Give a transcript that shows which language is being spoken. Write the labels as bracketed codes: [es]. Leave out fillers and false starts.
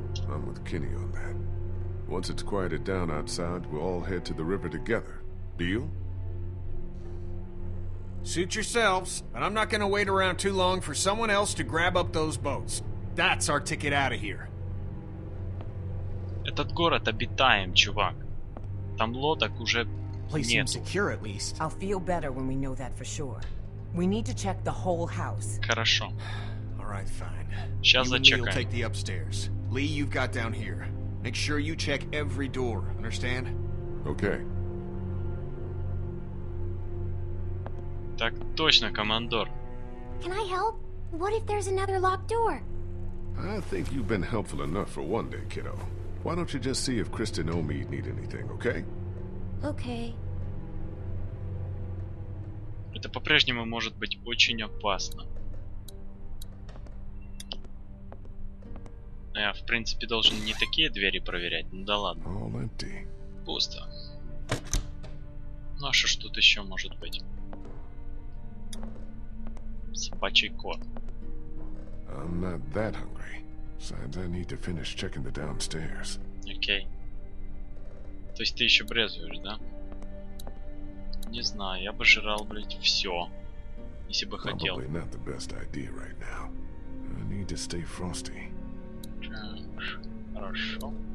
[en] I'm with Kenny on that. Once it's quieted down outside, we'll all head to the river together. Deal? Suit yourselves, but I'm not gonna wait around too long for someone else to grab up those boats. That's our ticket out of here. [ru] Этот город обитаем, чувак. Там лодок уже нет. [en] Place seems secure at least. I'll feel better when we know that for sure. We need to check the whole house. [ru] Хорошо. [en] All right, fine. [ru] Сейчас you зачекаем. [en] And Lee'll take the upstairs. Lee, you've got down here. Make sure you check every door, understand? Okay. [ru] Так точно, командор. [en] Can I help? What if there's another locked door? I think you've been helpful enough for one day, kiddo. Why don't you just see if Kristen and Omid need anything, okay? Okay. [ru] Это по-прежнему может быть очень опасно. Я, в принципе, должен не такие двери проверять, ну да ладно. Пусто. Ну а что ж тут еще может быть? Собачий кот. [en] I'm not that hungry. Besides, I need to finish checking the downstairs. [ru] Окей. То есть ты еще брезуешь, да? Не знаю, я бы жрал, блядь, все. Если бы хотел. [en] Probably not the best idea right now. I need to stay frosty. [ru] Хорошо.